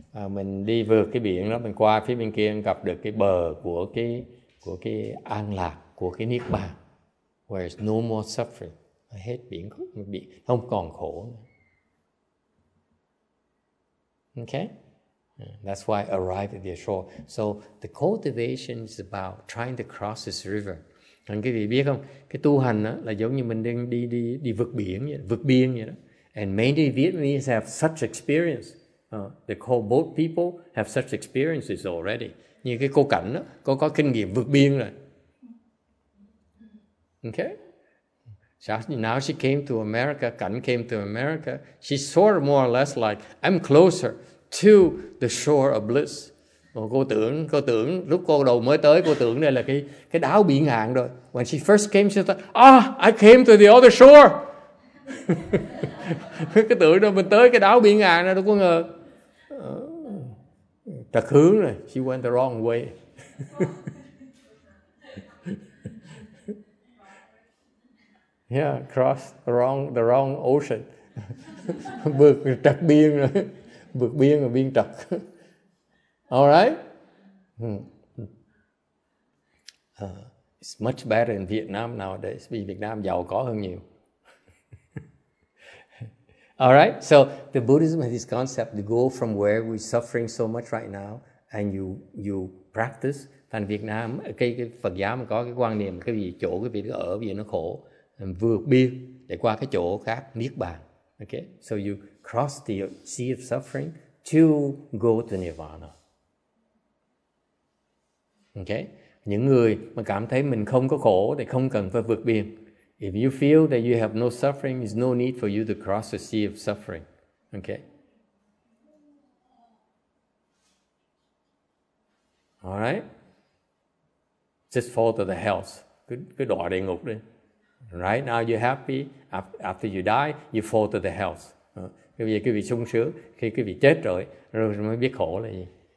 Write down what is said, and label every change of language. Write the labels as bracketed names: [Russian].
[Vietnamese] Mình đi vượt cái biển đó, mình qua phía bên kia, gặp được cái bờ của cái an lạc, của cái niết bàn, [English] where is no more suffering, [Vietnamese] hết biển không còn khổ. [English] Okay, that's why I arrived at the shore. So the cultivation is about trying to cross this river. [Vietnamese] Anh quý vị biết không? Cái tu hành đó là giống như mình đang đi vượt biển vậy, vượt biên vậy đó. [English] And many Vietnamese have such experience. They call boat people have such experiences already. [Vietnamese] Như cái cô Cảnh đó, cô có kinh nghiệm vượt biên rồi. [English] Okay? Now she came to America, Cảnh came to America. She sort of more or less like, I'm closer to the shore of bliss. [Vietnamese] Cô tưởng lúc cô đầu mới tới, cô tưởng đây là cái đảo biển hạn rồi. [English] When she first came, she thought, I came to the other shore. [Vietnamese] Cái tưởng đó mình tới cái đảo biển hạn rồi, đâu có ngờ. Trật hướng rồi, [English] she went the wrong way. Yeah, cross the wrong ocean. [Vietnamese] Vượt trật biên rồi, vượt biên rồi, biên trật. [English] All right. It's much better in Vietnam nowadays. [Vietnamese] Vì Việt Nam giàu có hơn nhiều. [English] All right. So the Buddhism has this concept to go from where we're suffering so much right now, and you practice. [Vietnamese] Thành Việt Nam, cái Phật giáo có cái quan niệm cái gì chỗ cái vị nó ở vì nó khổ, vượt biên để qua cái chỗ khác niết bàn. [English] Okay. So you cross the sea of suffering to go to Nirvana. Okay. [Vietnamese] Những người mà cảm thấy mình không có khổ thì không cần phải vượt biên. [English] If you feel that you have no suffering, there's no need for you to cross the sea of suffering. Okay. All right. Just fall to the hells. [Vietnamese] Cứ đọa địa ngục đi. [English] Right now you're happy. After you die, you fall to the hells. [Vietnamese] Cái việc quý vị sung sướng khi quý vị chết rồi mới biết khổ là gì.